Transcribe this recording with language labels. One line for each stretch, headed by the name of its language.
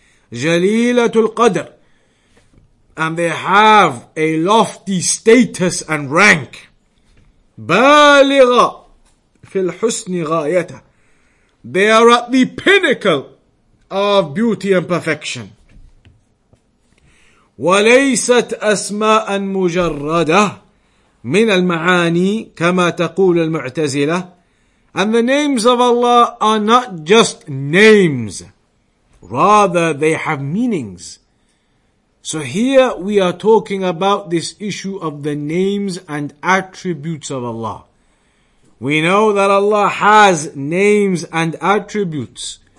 Arabic: Jalilatul Qadr.
English: And they have a lofty status and rank.
Arabic: Baligha fil husni ghayata.
English: They are at the pinnacle of beauty and perfection.
Arabic: وليست أسماء مجردة من المعاني كما تقول المعتزلة.
English: And the names of Allah are not just names. Rather, they have meanings. So here we are talking about this issue of the names and attributes of Allah. We know that Allah has names and attributes.